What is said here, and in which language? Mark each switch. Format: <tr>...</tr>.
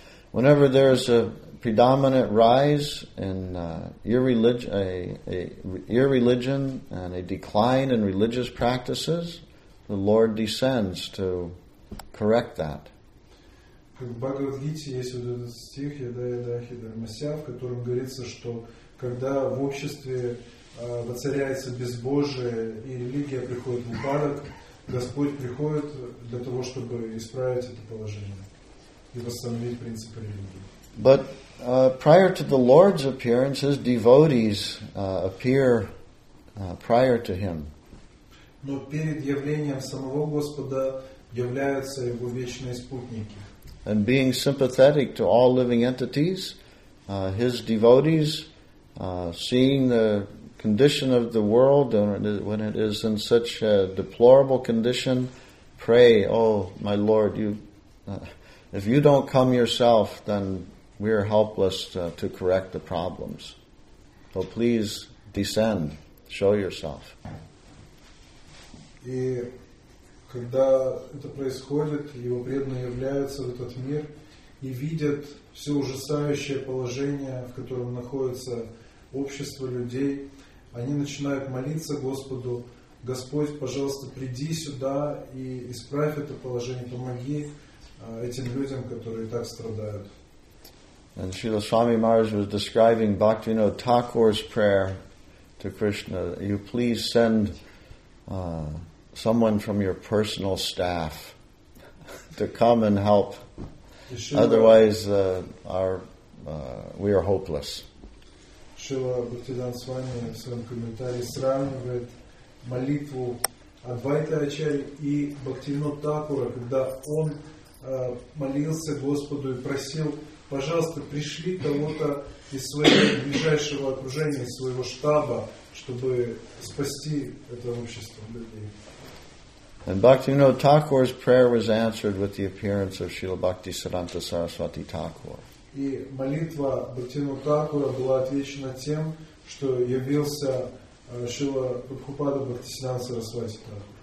<en>Whenever there is a predominant rise in irreligion and a decline in religious practices, the Lord descends to correct that.</en> <ru>Как в Бхагавад-гите есть вот этот стих Ядая-дахида Мася, в котором говорится, что когда в обществе воцаряется безбожие и религия приходит в упадок, Господь приходит для того, чтобы исправить это положение и восстановить принципы религии.</ru> <en>But prior to the Lord's appearance, his devotees appear prior to him.</en> <ru>Но перед явлением самого Господа являются его вечные спутники.</ru> <en>And being sympathetic to all living entities, his devotees, seeing the condition of the world when it is in such a deplorable condition, pray, oh my Lord, if you don't come yourself, then we are helpless to correct the problems. So please descend, show yourself.</en> <ru>Когда это происходит, его преданные являются в этот мир и видят все ужасающее положение, в котором находится общество людей. Они начинают молиться Господу: «Господь, пожалуйста, приди сюда и исправь это положение, помоги этим людям, которые так страдают».</ru> <en>And Srila Swami Maharaj was describing Bhaktivinoda Thakur's prayer to Krishna: «You please send someone from your personal staff to come and help. Otherwise, we are hopeless».</en> <ru>Шрила Бхактивинода Свами в своем комментарии сравнивает молитву Адвайта Ачарьи и Бхактивинода Такура, когда он молился Господу и просил: «Пожалуйста, пришли кого-то из своего ближайшего окружения, из своего штаба, чтобы спасти это общество людей».</ru> <en>And Bhaktivinoda Thakur's prayer was answered with the appearance of Srila Bhakti Siddhanta Saraswati Thakur.</en> <ru>И молитва Бхактивинода Такура была отвечена тем, что явился Шрила Прабхупада Бхактисиддханта Сарасвати Такур.</ru>